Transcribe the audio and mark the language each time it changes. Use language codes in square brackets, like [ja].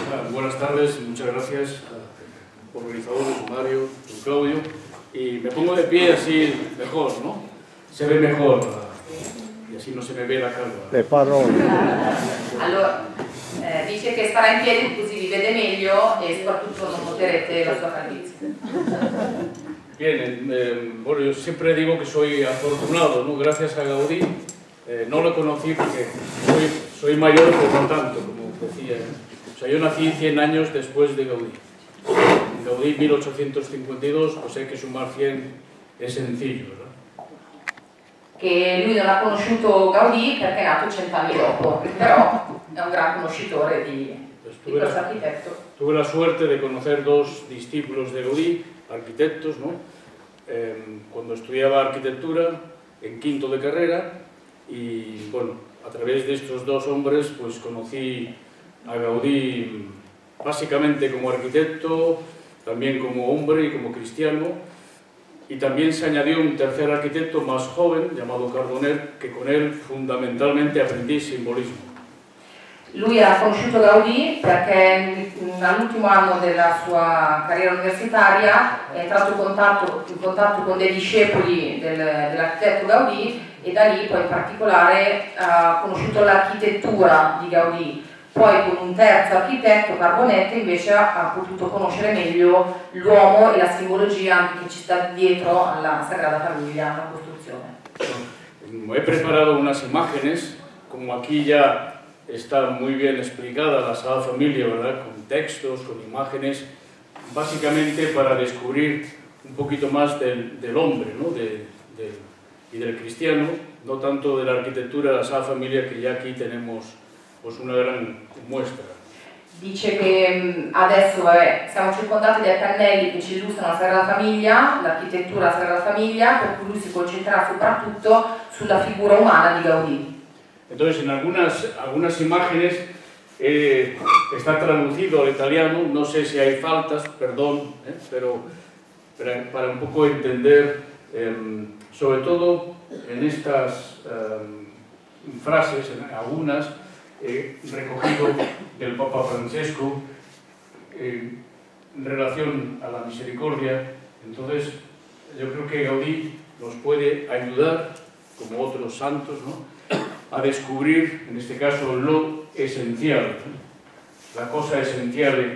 [es] Buenas tardes, muchas gracias por organizador, Mario, don Claudio. Y me pongo de pie así mejor, ¿no? Se ve mejor. Y así no se me ve la calva. [it] De parole. Allora, [es] dice que estará en pie, [it] così vi vede meglio e soprattutto non poterete la sua calvizie. [es] Bien, bueno, yo siempre digo que soy afortunado, ¿no? Gracias a Gaudí. No lo conocí porque soy mayor, por lo tanto, como decía. O sea, yo nací 100 años después de Gaudí. Gaudí 1852, pues hay que sumar 100, es sencillo, ¿verdad? [it] Que lui non ha conosciuto Gaudí perché è nato 100 anni dopo, però è un gran conoscitore di questo arquitecto. [es] Tuve la suerte de conocer dos discípulos de Gaudí, arquitectos, ¿no? Cuando estudiaba arquitectura, en quinto de carrera, y bueno, a través de estos dos hombres, pues conocí a Gaudí básicamente como arquitecto, también como hombre y como cristiano, y también se añadió un tercer arquitecto más joven, llamado Cardonet, que con él fundamentalmente aprendí simbolismo. [it] Lui ha conosciuto Gaudí perché all'ultimo anno della sua carriera universitaria è entrato in contatto con dei discepoli dell'architetto Gaudí e da lì poi in particolare ha conosciuto l'architettura di Gaudí. Poi con un terzo architetto, Carbonet, invece ha potuto conoscere meglio l'uomo e la simbologia che ci sta dietro alla Sagrada Famiglia, alla costruzione. [es] He preparato unas imágenes, [it] come qui già [es] está muy bien explicada la Sagrada Familia, ¿verdad? Con textos, con imágenes, básicamente para descubrir un poquito más del hombre, ¿no? Y del cristiano, no tanto de la arquitectura de la Sagrada Familia, que ya aquí tenemos pues una gran muestra. [it] Dice que adesso, vabbè, siamo circondati dai pannelli che ci illustrano la Sagrada Famiglia, l'architettura della Sagrada Famiglia, per cui lui si concentra soprattutto sulla figura umana di Gaudí. [es] Entonces, en algunas imágenes está traducido al italiano, no sé si hay faltas, perdón, pero para un poco entender, sobre todo en estas frases, en algunas, recogido del Papa Francesco, en relación a la misericordia, entonces yo creo que Gaudí nos puede ayudar, como otros santos, ¿no?, a descubrir, en este caso, lo esencial, la cosa esencial.